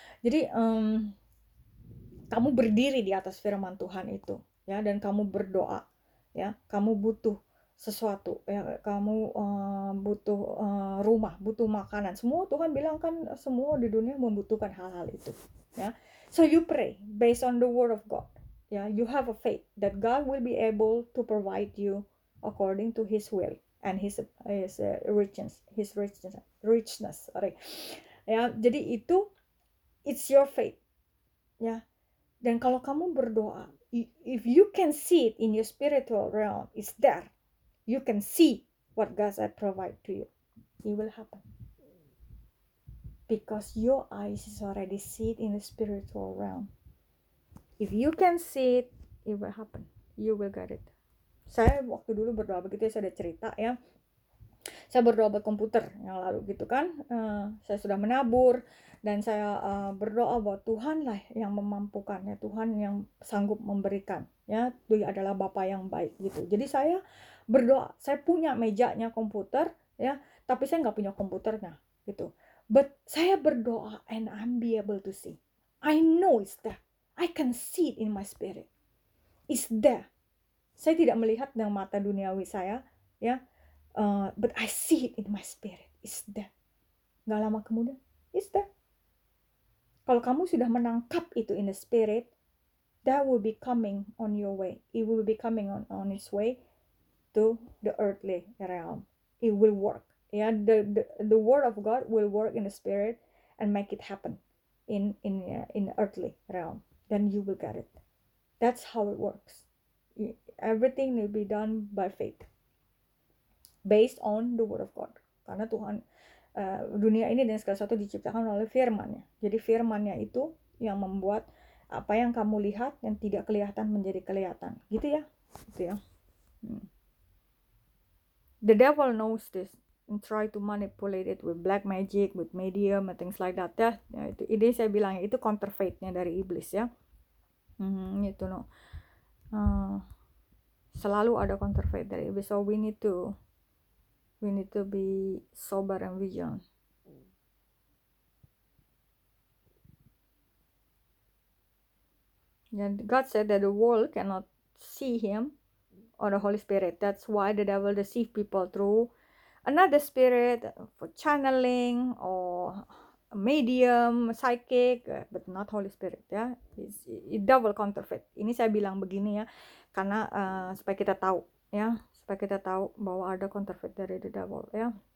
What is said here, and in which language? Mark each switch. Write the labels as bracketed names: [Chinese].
[Indonesian] Jadi kamu berdiri di atas firman Tuhan itu, ya, dan kamu berdoa, ya, kamu butuh sesuatu, ya, kamu butuh rumah, butuh makanan, semua Tuhan bilang kan semua di dunia membutuhkan hal-hal itu, ya. [English] So you pray based on the word of God, ya, you have a faith that God will be able to provide you according to His will and His richness, sorry, ya. [Indonesian] Jadi itu [English] it's your faith, [Indonesian] ya. Dan kalau kamu berdoa, [English] if you can see it in your spiritual realm, it's there. You can see what God has provided to you. It will happen. Because your eyes is already see it in the spiritual realm. If you can see it, it will happen. You will get it. [Indonesian] Saya waktu dulu berdoa begitu, saya ada cerita ya. Saya berdoa buat komputer yang lalu gitu kan. Saya sudah menabur. Dan saya berdoa bahwa Tuhan lah yang memampukan, ya, Tuhan yang sanggup memberikan, ya, Dia adalah Bapa yang baik gitu. Jadi saya berdoa, saya punya mejanya komputer, ya, tapi saya nggak punya komputernya gitu. [English] But [Indonesian] saya berdoa [English] and I'm be able to see. I know it's there. I can see it in my spirit. It's there. [Indonesian] Saya tidak melihat dengan mata duniawi saya, ya, [English] but I see it in my spirit. It's there. [Indonesian] Nggak lama kemudian, [English] it's there. [Indonesian] Kalau kamu sudah menangkap itu [English] in the spirit, that will be coming on your way. It will be coming on its way to the earthly realm. It will work. Ya, yeah? the word of God will work in the spirit and make it happen in the earthly realm. Then you will get it. That's how it works. Everything will be done by faith based on the word of God. [Indonesian] Karena Tuhan dunia ini dan segala sesuatu diciptakan oleh firman-Nya. Jadi firman-Nya itu yang membuat apa yang kamu lihat yang tidak kelihatan menjadi kelihatan. Gitu ya. Gitu ya. [English] The devil knows this and try to manipulate it with black magic, with medium, and things like that. [Indonesian] Ya, itu ide saya bilang itu counterfeit-nya dari iblis ya. Gitu loh. selalu ada counterfeit dari itu. [English] So we need to be sober and vigilant. And God said that the world cannot see him or the Holy Spirit. That's why the devil deceive people through another spirit for channeling or a medium, psychic, but not Holy Spirit, ya. It double counterfeit. [Indonesian] Ini saya bilang begini ya, karena supaya kita tahu, ya, supaya kita tahu bahwa ada counterfeit dari the devil, ya.